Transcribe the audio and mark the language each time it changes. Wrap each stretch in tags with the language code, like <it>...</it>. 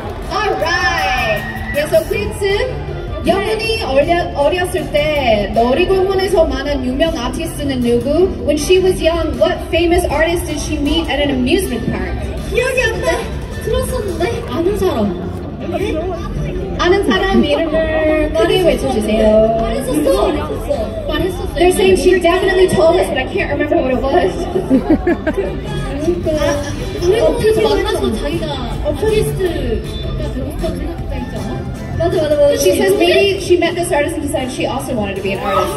<en>Alright! Yeah, so</en> <ko>Queen-sim, Youngchi 어렸을 때 놀이공원에서 많은 유명 아티스트는 누구?</ko> <en>When she was young, what famous artist did she meet at an amusement park?</en> <ko>기억이 안 나. 들었었는데? 아는 사람. 아는 사람 이름을 크게 외쳐주세요. 말했었어.</ko> <en>They're saying she definitely told us, but I can't remember what it was.</en> <ko>그래서 만나서 자기가 아티스트가 되고 싶다고 생각했다 했잖아. 맞아.</ko> <en>She says maybe she met this artist and decided she also wanted to be an artist.</en>